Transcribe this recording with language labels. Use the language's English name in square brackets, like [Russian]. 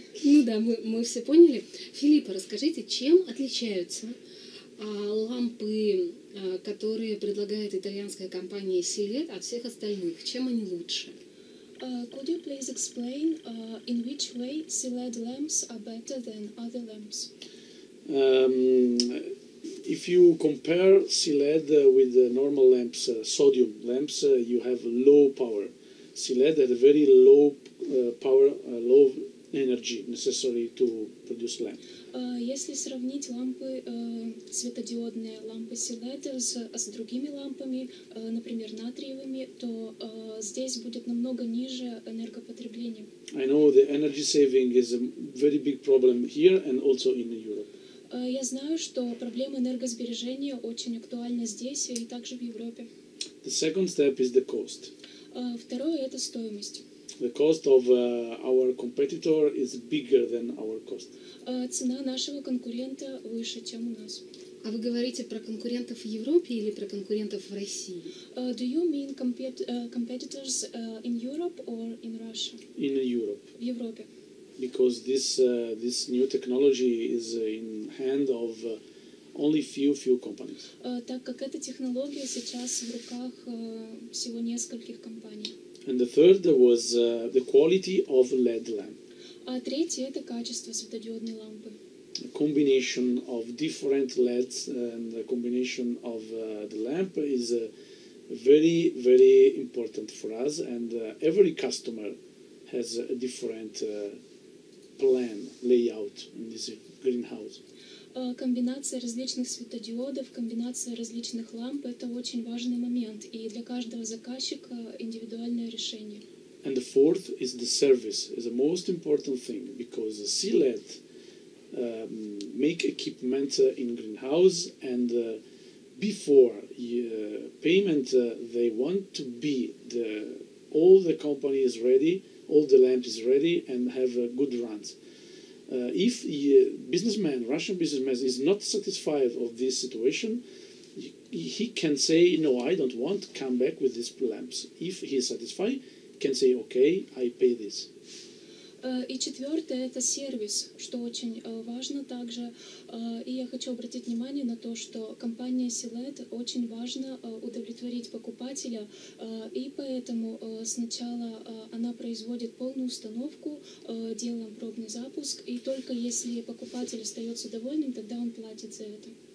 [Russian] Ну да, мы все поняли. Филиппа, расскажите, чем отличаются лампы, которые предлагает итальянская компания Silet, от всех остальных? Чем они лучше? [English] Could you please explain in which way Silet lamps are better than other lamps? If you compare Silet with the normal lamps, sodium lamps, you have low power. Silet has a very low power, low energy necessary to produce lamp. [Russian] Если сравнить лампы, светодиодные лампы Silet с другими лампами, например, натриевыми, то здесь будет намного ниже энергопотребление. [English] I know the energy saving is a very big problem here and also in Europe. [Russian] Я знаю, что проблема энергосбережения очень актуальна здесь и также в Европе. [English] The second step is the cost. [Russian] Второе – это стоимость. [English] The cost of our competitor is bigger than our cost. [Russian] Цена нашего конкурента выше, чем у нас. А вы говорите про конкурентов в Европе или про конкурентов в России? [English] Do you mean competitors in Europe or in Russia? In Europe. [Russian] В Европе. [English] Because this new technology is in hand of only few companies. [Russian] Так как эта технология сейчас в руках всего нескольких компаний. [English] And the third was the quality of LED lamp. [Russian] А третье — это качество светодиодной лампы. [English] A combination of different LEDs and a combination of the lamp is very, very important for us. And every customer has a different plan, layout in this greenhouse. [Russian] Комбинация различных светодиодов, комбинация различных ламп – это очень важный момент, и для каждого заказчика индивидуальное решение. [English] And the fourth is the service, is the most important thing, because Silet make equipment in greenhouse, and before payment they want to be the all the company is ready, all the lamp is ready, and have a good runs. If a businessman, Russian businessman, is not satisfied of this situation, he can say, no, I don't want to come back with these lamps. If he is satisfied, can say, okay, I pay this. [Russian] И четвертое — это сервис, что очень важно также. И я хочу обратить внимание на то, что компания Silet очень важно удовлетворить покупателя, и поэтому сначала она производит полную установку, делаем пробный запуск, и только если покупатель остается довольным, тогда он платит за это.